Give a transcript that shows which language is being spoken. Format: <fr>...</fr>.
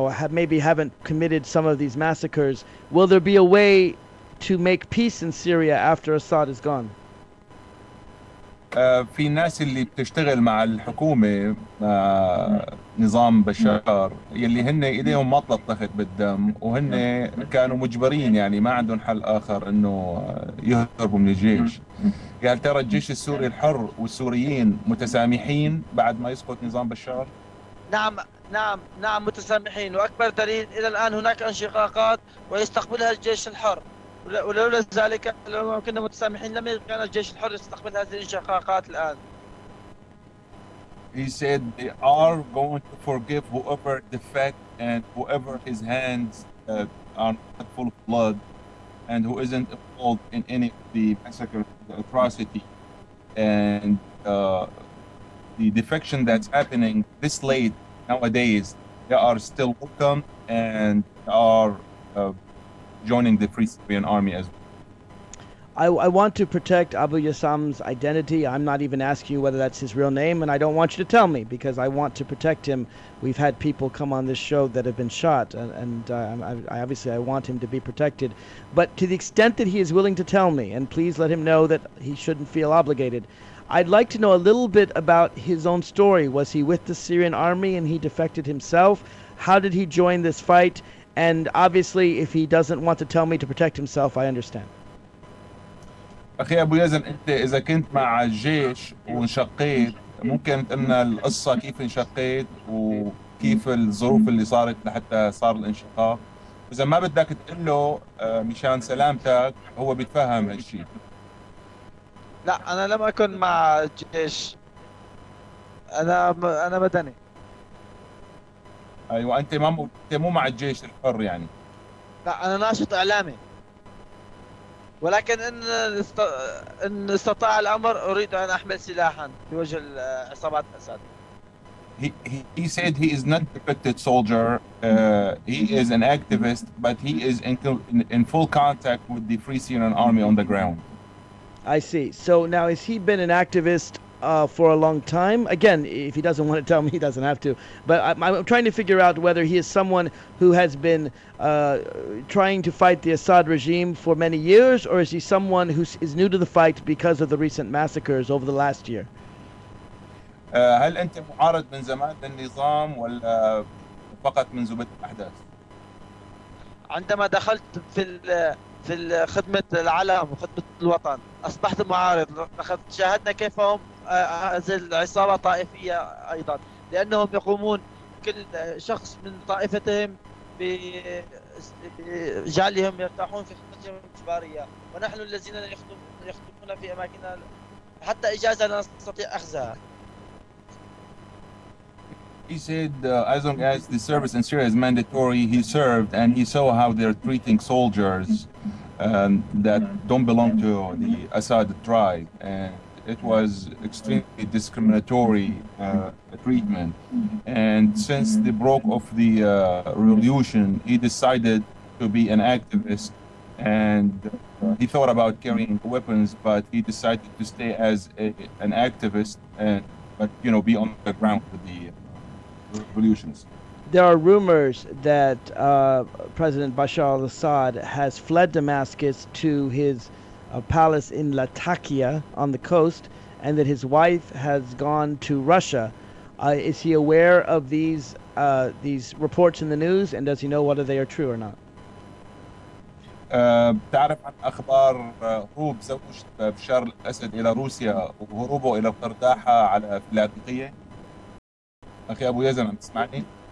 <en>Maybe haven't committed some of these massacres. Will there be a way to make peace in Syria after Assad is gone?</en> <ar>في ناس اللي بتشتغل مع الحكومة نظام بشار يلي هن إيديهم ما تلطخت بالدم وهن كانوا مجبرين يعني ما عندهم حل آخر إنه يهربوا من الجيش. هل ترى الجيش السوري الحر والسوريين متسامحين بعد ما يسقط نظام بشار؟ نعم نعم نعم متسامحين وأكبر دليل إلى الآن هناك انشقاقات ويستقبلها الجيش الحر ولولا ذلك لو كنا متسامحين لم يكن الجيش الحر يستقبل هذه الانشقاقات الآن.</ar> <en>He said they are going to forgive whoever defect and whoever his hands are not full of blood and who isn't involved in any of the massacre the atrocity and the defection that's happening this late nowadays, they are still welcome and are joining the Free Syrian Army as well. I want to protect Abu Yassam's identity. I'm not even asking you whether that's his real name, and I don't want you to tell me because I want to protect him. We've had people come on this show that have been shot, and I want him to be protected. But to the extent that he is willing to tell me, and please let him know that he shouldn't feel obligated, I'd like to know a little bit about his own story. Was he with the Syrian army and he defected himself? How did he join this fight? And obviously, if he doesn't want to tell me to protect himself, I understand.</en> <ar>أخي أبو يزن، أنت إذا كنت مع الجيش وانشقيت، ممكن أن القصة كيف انشقيت وكيف الظروف اللي صارت لحتى صار الانشقاق؟ إذا ما بدك تقول له مشان سلامتك، هو بيتفهم هالشيء. لا، أنا لم أكن مع الجيش، أنا مدني. أيوة، أنت مو مع الجيش الحر يعني؟ لا، أنا ناشط إعلامي، ولكن إن استطاع الأمر أريد أن أحمل سلاحا لوجه العصابات الأسد.</ar> <en>He said he is not a depicted soldier. He is an activist, but he is in full contact with the Free Syrian Army on the ground. I see. So now, has he been an activist for a long time? Again, if he doesn't want to tell me, he doesn't have to. But I'm trying to figure out whether he is someone who has been trying to fight the Assad regime for many years, or is he someone who is new to the fight because of the recent massacres over the last year?</en> <ar>هل أنت معارض من زمان للنظام ولا فقط من زبدة الأحداث؟ عندما دخلت في خدمة العلم وخدمة الوطن أصبحت معارض، لقد شاهدنا كيف هم هذه العصابة طائفية أيضا، لأنهم يقومون كل شخص من طائفتهم بجعلهم يرتاحون في خدمتهم الإجبارية، ونحن الذين يخدمون في أماكننا حتى إجازة لا نستطيع أخذها.</ar> <en>He said, as long as the service in Syria is mandatory, he served and he saw how they're treating soldiers that don't belong to the Assad tribe. And it was extremely discriminatory treatment. And since the broke of the revolution, he decided to be an activist. And he thought about carrying weapons, but he decided to stay as an activist, but you know, be on the ground with the revolutions. There are rumors that President Bashar al-Assad has fled Damascus to his palace in Latakia on the coast, and that his wife has gone to Russia. Is he aware of these reports in the news, and does he know whether they are true or not?</en> <ar>تعرف عن أخبار هروب زوج بشار الأسد إلى روسيا وهروبه إلى قرطاحة على لاتقية؟ أخي أبو يزن، عم تسمعني؟</ar>